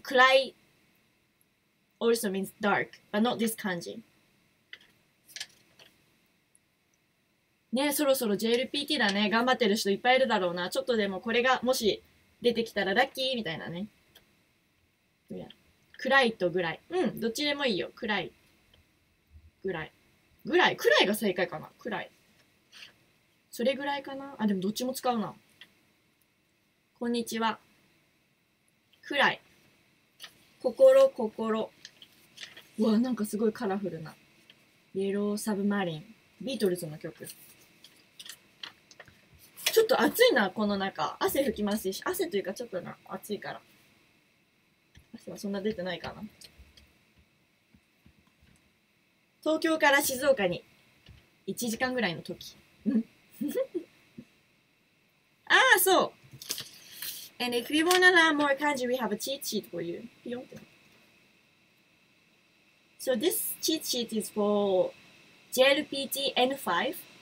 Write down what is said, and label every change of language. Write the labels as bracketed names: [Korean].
[English] くらい also means dark, but not this 漢字。 [Japanese] ねえ、そろそろ JLPT だね。頑張ってる人いっぱいいるだろうな。ちょっとでもこれがもし出てきたらラッキーみたいなね。くらいとぐらい。うん、どっちでもいいよ。くらい。ぐらい。ぐらい。くらいが正解かな。くらい。それぐらいかな。あ、でもどっちも使うな。こんにちは。くらい。心、心。うわ、なんかすごいカラフルな。イエローサブマリン。ビートルズの曲。ちょっと暑いな、この中。汗拭きますし。汗というかちょっとな、暑いから。汗はそんな出てないかな。東京から静岡に1時間ぐらいの時。ああ、そう。 [English] And if you wanna learn more kanji, we have a cheat sheet for you. [Japanese] ピヨンって。 [English] So this cheat sheet is for JLPT N5.